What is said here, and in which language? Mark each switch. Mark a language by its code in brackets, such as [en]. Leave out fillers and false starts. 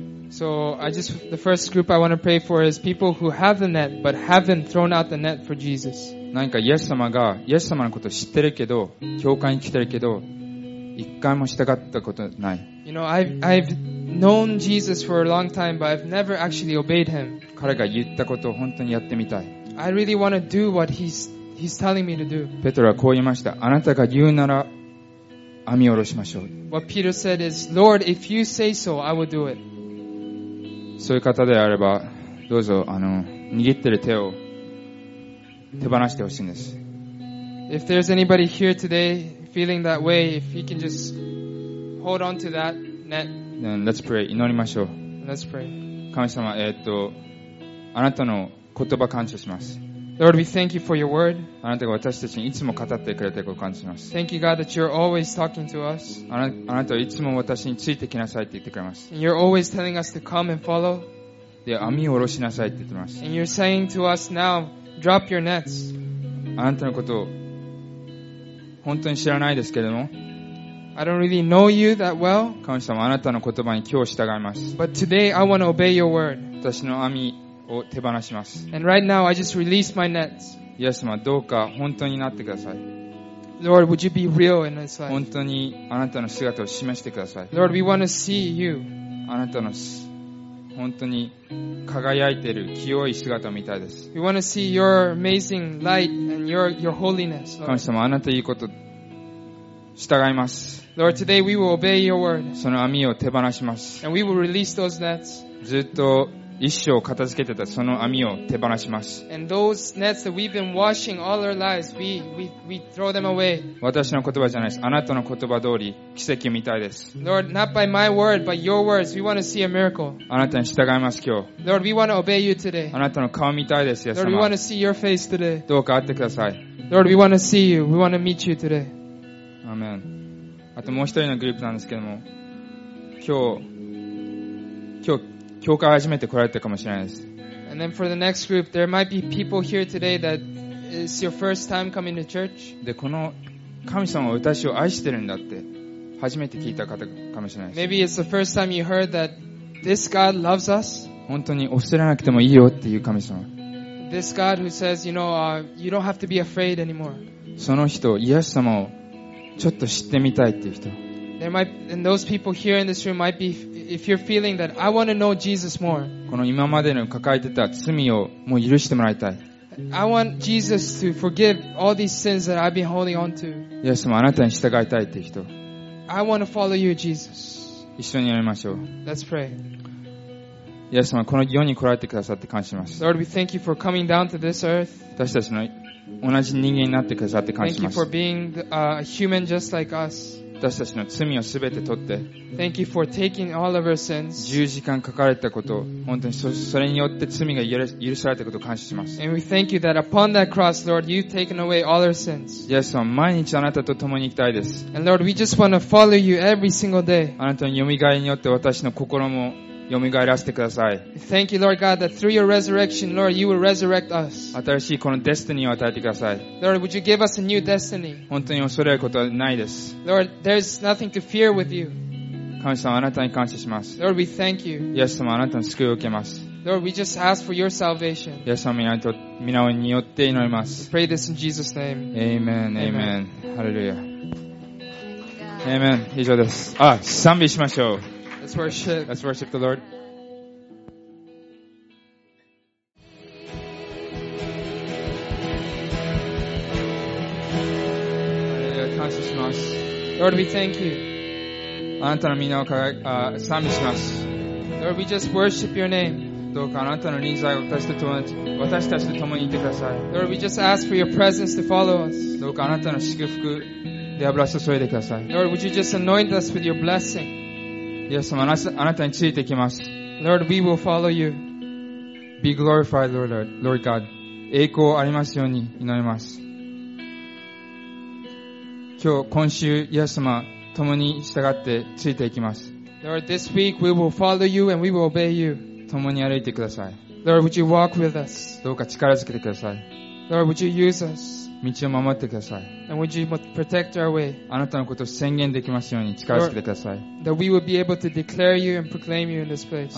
[en] So I just the first group I want to pray for is people who have the net but haven't thrown out the net for Jesus. [ja] 何かイエス様がイエス様のことを知ってるけど、教会に来てるけど、一回もしたかったことない。 [en] You know, I've known Jesus for a long time, but I've never actually obeyed him. [ja] 彼が言ったことを本当にやってみたい。 [en] I really want to do what he's telling me to do. [ja] ペトロはこう言いました。あなたが言うなら、網を下ろしましょう。 [en] What Peter said is, Lord, if you say so, I will do it. [ja] そういう方であれば、どうぞ、握ってる手を手放してほしいんです。 [en] If there's anybody here today feeling that way, if you can just hold on to that net, Then let's pray. [ja] 祈りましょう。 [en] Let's pray. [ja] 神様、あなたの言葉感謝します。 [en] Lord, we thank you for your word. [ja] あなたが私たちにいつも語ってくれていることを感謝します。 [en] Thank you, God, that you're always talking to us. [ja] あなたはいつも私についてきなさいって言ってくれます。 [en] And you're always telling us to come and follow. [ja] で、網を下ろしなさいって言ってます。 [en] And you're saying to us now, drop your nets. [ja] あなたのことを本当に知らないですけれども、 [en] I don't really know you that well. [ja] 神様、あなたの言葉に今日従います。 [en] But today I want to obey your word. [ja] 私の網を手放します。 [en] And right now I just release my nets. [ja] イエス様、どうか本当になってください。 [en] Lord, would you be real in this life? [ja] 本当にあなたの姿を示してください。 [en] Lord, we want to see you. [ja] あなたの本当に輝いている清い姿を見たいです。 [en] We want to see your amazing light and your holiness. [ja] 神様、あなたいいこと従います。 [en] Lord, today we will obey your word. [ja] その網を手放します。 [en] And we will release those nets. [ja] ずっと一生片付けてたその網を手放します。 [en] And those nets that we've been washing all our lives, we throw them away. [ja] 私の言葉じゃないです。あなたの言葉通り奇跡みたいです。 [en] Lord, not by my word, but your words, we want to see a miracle. [ja] あなたに従います今日。 [en] Lord, we want to obey you today. [ja] あなたの顔見たいです、イエス様。 [en] Lord, we want to see your face today. [ja] どうか会ってください。 [en] Lord, we want to see you. We want to meet you today. [ja] アーメン。あともう一人のグループなんですけども、今日教会初めて来られたかもしれないです。 [en] And then for the next group, there might be people here today that is your first time coming to church. [ja] で、この神様は私を愛してるんだって初めて聞いた方かもしれないです。 [en] Maybe it's the first time you heard that this God loves us. [ja] 本当に恐れなくてもいいよっていう神様。 [en] This God who says, you know, you don't have to be afraid anymore. [ja] その人、イエス様をちょっと知ってみたいっていう人。 [en] There might, and those people here in this room might be, if you're feeling that I want to know Jesus more. [ja] この今までの抱えてた罪をもう許してもらいたい。 [en] I want Jesus to forgive all these sins that I've been holding on to. [ja] イエス様、あなたに従いたいっていう人。 [en] I want to follow you, Jesus. [ja] 一緒にやりましょう。 [en] Let's pray. [ja] イエス様、この世に来られてくださって感謝します。 [en] Lord, we thank you for coming down to this earth. [ja] 私たちの同じ人間になってくださって感謝します。 [en] Thank you for being a human just like us. [ja] 私たちの罪をすべて取って。 [en] Thank you for taking all of our sins. [ja] 十字架にかかれたこと、本当に それによって罪が許されたことを感謝します。 [en] And we thank you that upon that cross, Lord, you've taken away all our sins. [ja] イエス様、毎日あなたと共に行きたいです。 [en] And Lord, we just want to follow you every single day. [ja] あなたの蘇りによって私の心も蘇らせてください。 [en] Thank you, Lord God, that through your resurrection, Lord, you will resurrect us. [ja] 新しいこのデスティニーを与えてください。 [en] Lord, would you give us a new destiny? [ja] 本当に恐れることはないです。 [en] Lord, there's nothing to fear with you. [ja] 神様、あなたに感謝します。 [en] Lord, we thank you. [ja] イエス様、あなたの救いを受けます。 [en] Lord, we just ask for your salvation. [ja] イエス様、皆によって祈ります。 [en] We pray this in Jesus' name. Amen, amen. Hallelujah. Amen. [ja] 以上です。あ、賛美しましょう。 [en] Let's worship the Lord. Lord, we thank you. [ja] あなたの皆を賛美します。 [en] Lord, we just worship your name. [ja] どうかあなたの臨在を私たちと共にいてください。 [en] Lord, we just ask for your presence to follow us. [ja] どうかあなたの祝福で油を注いでください。 [en] Lord, would you just anoint us with your blessing? [ja] イエス様、あなたについていきます。 [en] Lord, we will follow you. Be glorified, Lord God. [ja] 栄光ありますように祈ります。今週、イエス様、共に従ってついていきます。 [en] Lord, this week we will follow you and we will obey you. [ja] 共に歩いてください。 [en] Lord, would you walk with us? [ja] どうか力づけてください。 [en] Lord, would you use us? [ja] 道を守ってください。 [en] And would you protect our way? [ja] あなたのことを宣言できますように力づけてください。 [en] Lord, that we will be able to declare you and proclaim you in this place.